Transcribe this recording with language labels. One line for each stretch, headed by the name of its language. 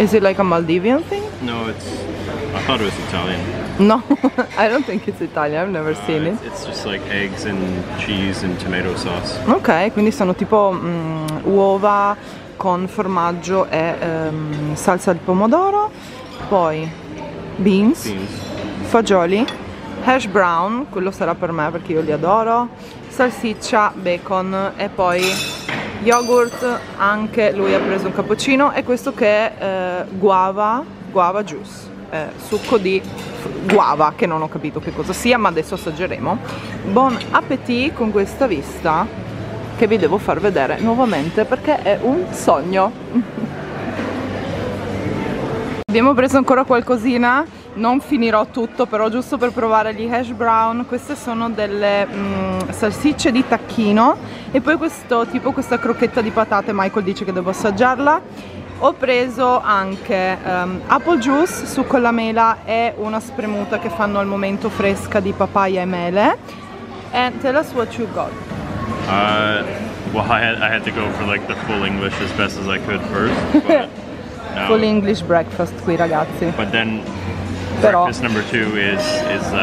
English: Is it like a Maldivian thing? No, it's... I thought it was Italian. No, I don't think it's Italian, I've never seen it. It's just like eggs and cheese and tomato sauce.
Italian: Ok, quindi sono tipo uova con formaggio e salsa al pomodoro. Poi beans, fagioli, hash brown, quello sarà per me perché io li adoro, salsiccia, bacon e poi yogurt, anche lui ha preso un cappuccino, e questo che è guava juice, succo di guava, che non ho capito che cosa sia, ma adesso assaggeremo. Buon appetit con questa vista che vi devo far vedere nuovamente perché è un sogno. Abbiamo preso ancora qualcosina, non finirò tutto, però giusto per provare gli hash brown. Queste sono delle salsicce di tacchino e poi questo tipo, questa crocchetta di patate, Michael dice che devo assaggiarla. Ho preso anche apple juice, succo alla mela e una spremuta che fanno al momento fresca di papaya e mele.
English: And tell us what you got. I had to go for like the full English as best as I could first.
Italian: Full English breakfast qui ragazzi.
English: But then breakfast number 2 is